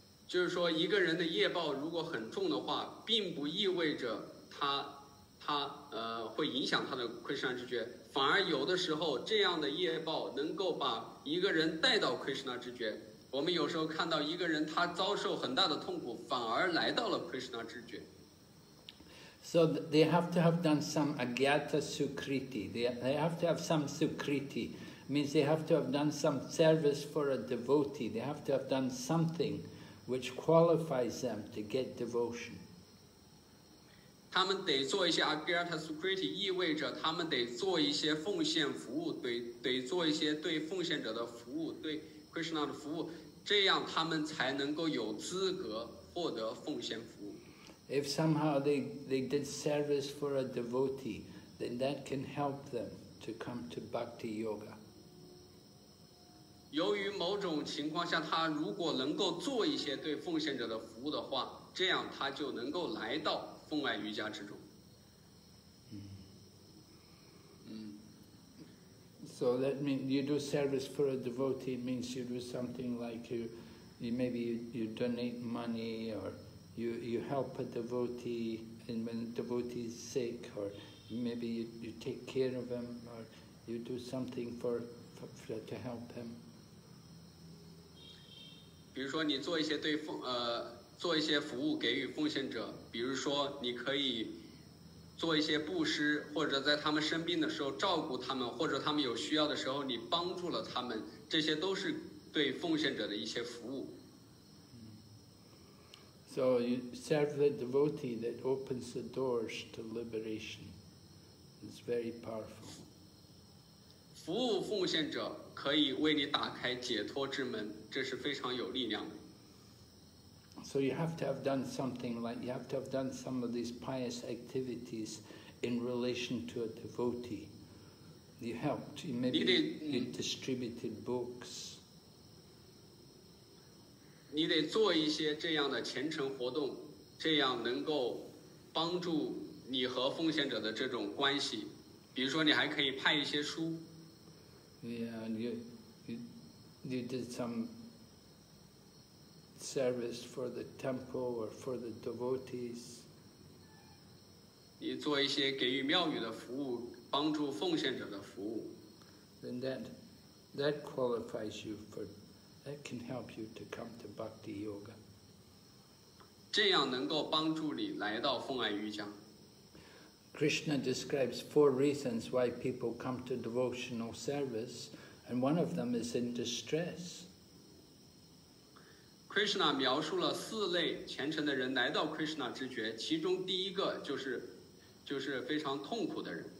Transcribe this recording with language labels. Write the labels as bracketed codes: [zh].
[zh] 就是说一个人的业报如果很重的话，并不意味着他会影响他的窥视那知觉，反而有的时候这样的业报能够把一个人带到窥视那知觉。我们有时候看到一个人他遭受很大的痛苦，反而来到了窥视那知觉。 [en] So they have to have done some agyata sukriti. They have to have some sukriti. Means they have to have done some service for a devotee. They have to have done something which qualifies them to get devotion. [zh] 他们得做一些 agyata sukriti， 意味着他们得做一些奉献服务，得做一些对奉献者的服务，对 Krishna 的服务，这样他们才能够有资格获得奉献服务。 [en] If somehow they did service for a devotee, then that can help them to come to bhakti yoga. [zh] 由于某种情况下，他如果能够做一些对奉献者的服务的话，这样他就能够来到奉爱瑜伽之中。 [en] So that means you do service for a devotee means you do something like you donate money or. You help a devotee, and when the devotee is sick, or maybe you take care of him, or you do something for to help him. [zh] 比如说，你做一些对奉做一些服务给予奉献者，比如说，你可以做一些布施，或者在他们生病的时候照顾他们，或者他们有需要的时候你帮助了他们，这些都是对奉献者的一些服务。 [en] So you serve the devotee that opens the doors to liberation. It's very powerful. [zh] 服务奉献者可以为你打开解脱之门，这是非常有力量的。 [en] So you have to have done something like you have to have done some of these pious activities in relation to a devotee. You helped. Maybe you distributed books. [zh] 你得做一些这样的虔诚活动，这样能够帮助你和奉献者的这种关系。比如说，你还可以派一些书。 [en] Yeah, you did some service for the temple or for the devotees. [zh] 你做一些给予庙宇的服务，帮助奉献者的服务。 [en] Then that qualifies you for. That can help you to come to Bhakti Yoga. [zh] 这样能够帮助你来到奉爱瑜伽。 [en] Krishna describes four reasons why people come to devotional service, and one of them is in distress. [zh] Krishna 描述了四类虔诚的人来到 Krishna 知觉，其中第一个就是非常痛苦的人。